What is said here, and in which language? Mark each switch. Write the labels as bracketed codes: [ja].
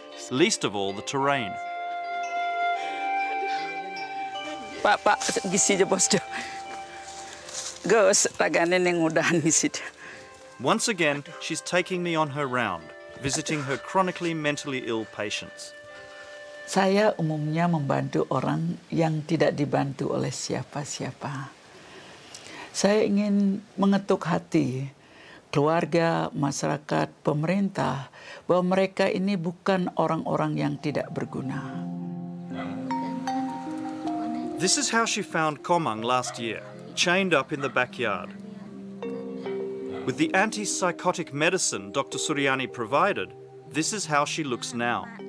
[en] Least of all, the terrain. Papa, gisi je bos jo. Gus, lagane ning udahan gisi. Once again, she's taking me on her round, visiting her chronically mentally ill patients. [id] Saya umumnya membantu orang yang tidak dibantu oleh siapa-siapa. Saya ingin mengetuk hati keluarga, masyarakat, pemerintah bahwa mereka ini bukan orang-orang yang tidak berguna. [en] This is how she found Komang last year, chained up in the backyard. With the antipsychotic medicine Dr. Suryani provided, this is how she looks now.